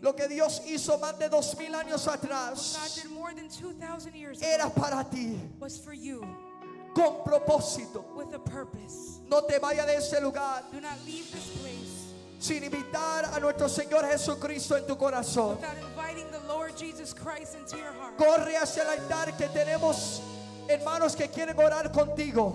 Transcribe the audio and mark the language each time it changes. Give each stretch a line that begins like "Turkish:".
Spanish: lo que Dios hizo más de 2,000 años atrás,
English: what God did more than 2,000 years ago,
Spanish: era para ti,
English: was for you.
Spanish: Con propósito.
English: With a purpose.
Spanish: No te vayas de ese lugar.
English: Do not leave this place.
Spanish: Sin invitar a nuestro Señor Jesucristo en tu corazón.
English: Without inviting the Lord Jesus Christ into your heart.
Spanish: Corre hacia el altar que tenemos hermanos que quieren orar contigo.